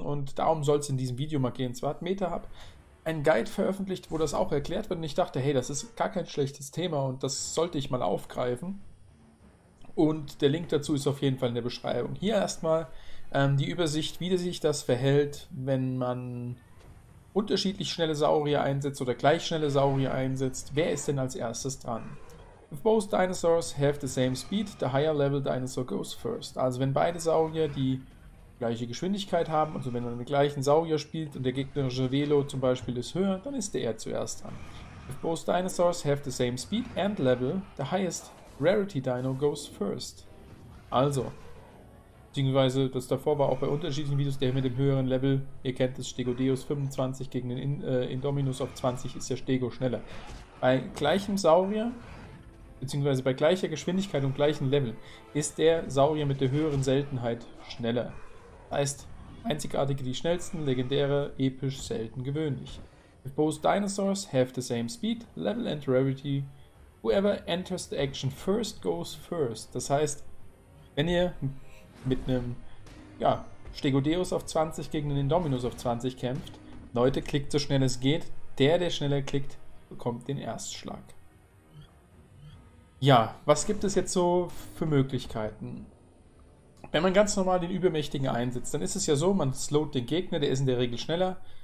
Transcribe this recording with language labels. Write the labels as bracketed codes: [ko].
[de] Und darum soll es in diesem Video mal gehen. Zwar hat MetaHub einen Guide veröffentlicht, wo das auch erklärt wird. Und ich dachte, hey, das ist gar kein schlechtes Thema und das sollte ich mal aufgreifen. Und der Link dazu ist auf jeden Fall in der Beschreibung. Hier erstmal die Übersicht, wie sich das verhält, wenn man unterschiedlich schnelle Saurier einsetzt oder gleich schnelle Saurier einsetzt. Wer ist denn als erstes dran? [en] If both dinosaurs have the same speed, the higher level dinosaur goes first. [de] Also wenn beide Saurier die gleiche Geschwindigkeit haben, also wenn man den gleichen Saurier spielt und der gegnerische Velo zum Beispiel ist höher, dann ist der eher zuerst dran. [en] If both dinosaurs have the same speed and level, the highest rarity dino goes first. [de] Also, beziehungsweise, das davor war auch bei unterschiedlichen Videos, der mit dem höheren Level, ihr kennt es, Stegodeus 25 gegen den Indominus auf 20 ist der Stego schneller. Bei gleichem Saurier, beziehungsweise bei gleicher Geschwindigkeit und gleichem Level, ist der Saurier mit der höheren Seltenheit schneller. Heißt, einzigartige die schnellsten, legendäre, episch, selten, gewöhnlich. [en] If both dinosaurs have the same speed, level and rarity, whoever enters the action first goes first. [de] Das heißt, wenn ihr mit einem, ja, Stegodeus auf 20 gegen den Indominus auf 20 kämpft. Leute, klickt so schnell es geht. Der schneller klickt, bekommt den Erstschlag. Ja, was gibt es jetzt so für Möglichkeiten? Wenn man ganz normal den Übermächtigen einsetzt, dann ist es ja so, man slowt den Gegner, der ist in der Regel schneller.